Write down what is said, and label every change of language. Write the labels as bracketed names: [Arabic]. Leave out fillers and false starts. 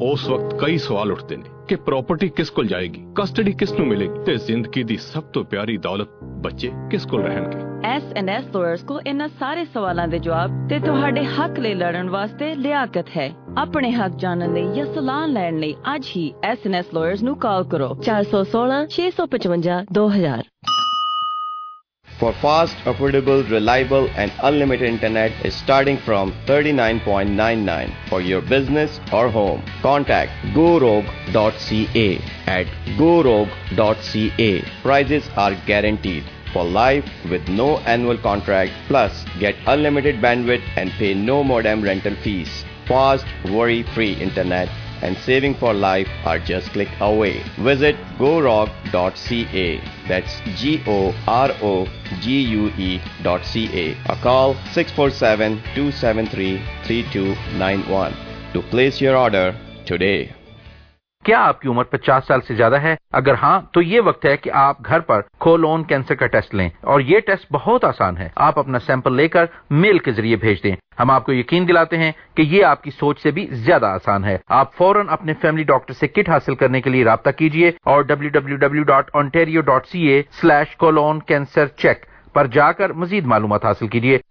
[Punjabi] ਉਸ ਵਕਤ ਕਈ ਸਵਾਲ ਉੱਠਦੇ ਨੇ ਕਿ ਪ੍ਰਾਪਰਟੀ ਕਿਸ ਕੋਲ ਜਾਏਗੀ, ਕਸਟਡੀ ਕਿਸ ਨੂੰ ਮਿਲੇਗੀ ਤੇ ਜ਼ਿੰਦਗੀ ਦੀ ਸਭ ਤੋਂ ਪਿਆਰੀ ਦੌਲਤ ਬੱਚੇ ਕਿਸ ਕੋਲ ਰਹਿਣਗੇ। SNS ਲੋਅਰਸ ਕੋ ਇਹਨਾਂ ਸਾਰੇ ਸਵਾਲਾਂ ਦੇ ਜਵਾਬ ਤੇ ਤੁਹਾਡੇ ਹੱਕ ਲਈ ਲੜਨ ਵਾਸਤੇ ਲਿਆਕਤ ਹੈ। ਆਪਣੇ ਹੱਕ ਜਾਣਨ ਲਈ ਜਾਂ ਸਲਾਹ ਲੈਣ ਲਈ ਅੱਜ ਹੀ SNS ਲੋਅਰਸ ਨੂੰ ਕਾਲ ਕਰੋ 416-655-2000। [English] For fast, affordable, reliable and unlimited internet is starting from ₹39.99 for your business or home. Contact gorog.ca at gorog.ca. Prices are guaranteed for life with no annual contract. Plus, get unlimited bandwidth and pay no modem rental fees. Fast, worry-free internet and saving for life are just click away. Visit gorog.ca. That's gorog.ca. Or call 647-273-3291 to place your order today. [Hindi] क्या आपकी उम्र 50 साल से ज्यादा है? अगर हाँ तो ये वक्त है कि आप घर पर कोलोन कैंसर का टेस्ट लें। और ये टेस्ट बहुत आसान है, आप अपना सैंपल लेकर मेल के जरिए भेज दें। हम आपको यकीन दिलाते हैं कि ये आपकी सोच से भी ज्यादा आसान है। आप फौरन अपने फैमिली डॉक्टर से किट हासिल करने के लिए रابطہ कीजिए और www.ontario.ca/colon-cancer-check पर जाकर मजीद मालूमात हासिल कीजिए।